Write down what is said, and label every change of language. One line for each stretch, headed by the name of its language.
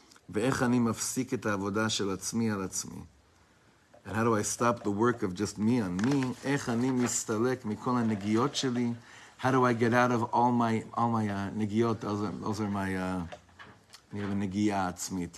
Hebrew: ואיך אני מפסיק את העבודה של עצמי על עצמי?
English: And how do I stop the work of just me on me?
Hebrew: איך אני מסתלק מכל הנגיעות שלי?
English: How do I get out of all my נגיעות? Those are my,
Hebrew: אני אוהב נגיעה עצמית.